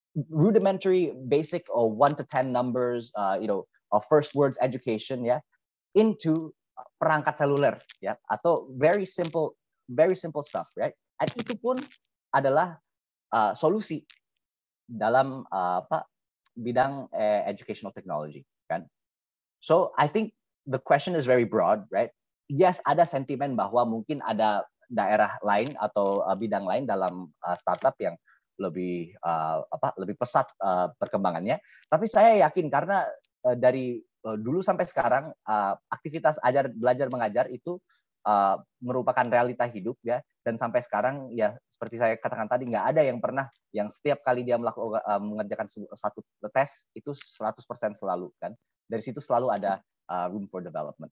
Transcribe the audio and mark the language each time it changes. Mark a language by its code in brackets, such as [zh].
[en] rudimentary basic or 1-10 numbers first words education [id] ya [en] into [id] perangkat seluler ya, atau [en] very simple stuff, right? And [id] itu pun adalah solusi dalam bidang educational technology, kan? [en] So I think the question is very broad, right? [id] Yes, ada sentimen bahwa mungkin ada daerah lain atau bidang lain dalam startup yang lebih lebih pesat perkembangannya. Tapi saya yakin karena dari dulu sampai sekarang aktivitas ajar belajar mengajar itu merupakan realita hidup ya, dan sampai sekarang ya seperti saya katakan tadi, nggak ada yang pernah yang setiap kali dia melakukan mengerjakan satu tes itu 100% selalu kan, dari situ selalu ada [en] room for development.